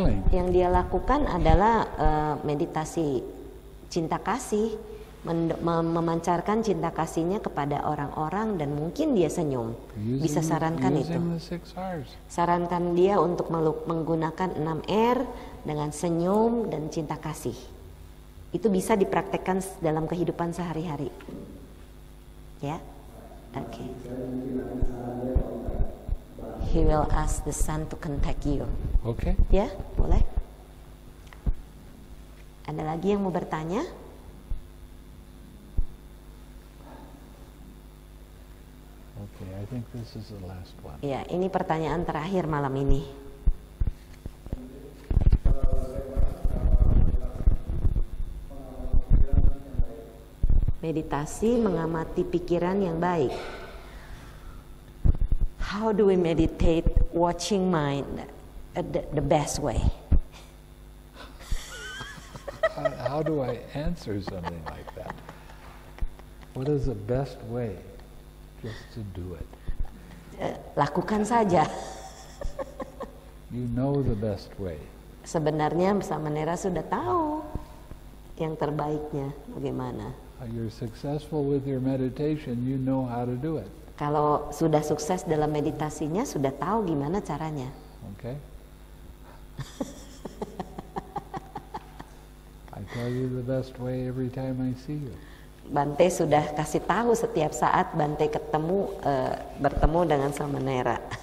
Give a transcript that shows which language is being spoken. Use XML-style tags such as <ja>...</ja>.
<id>Yang dia lakukan adalah meditasi cinta kasih, memancarkan cinta kasihnya kepada orang-orang dan mungkin dia senyum. Bisa sarankan</id> <en>using</en> <id>itu.</id> <en>The six R's.</en> <id>Sarankan dia untuk menggunakan 6 R dengan senyum dan cinta kasih. Itu bisa dipraktekkan dalam kehidupan sehari-hari. Ya. Yeah? Oke.</id> <en>Okay. He will ask the son to contact you. Okay.</en> <id>Yeah, boleh. Ada lagi yang mau bertanya?</id> <en>Okay, I think this is the last one.</en> <id>Yeah, ini pertanyaan terakhir malam ini. Meditasi mengamati pikiran yang baik.</id> <en>How do we meditate watching mind the best way? how do I answer something like that? What is the best way just to do it?</en> <id>Lakukan saja.</id> <en>You know the best way.</en> <id>Sebenarnya Samanera sudah tahu yang terbaiknya bagaimana.</id> <en>You're successful with your meditation, you know how to do it.</en> <id>Kalau sudah sukses dalam meditasinya, sudah tahu gimana caranya.</id> <en>Okay. I tell you the best way every time I see you.</en> <id>Bhante sudah kasih tahu setiap saat Bhante ketemu bertemu dengan Samanera.</id>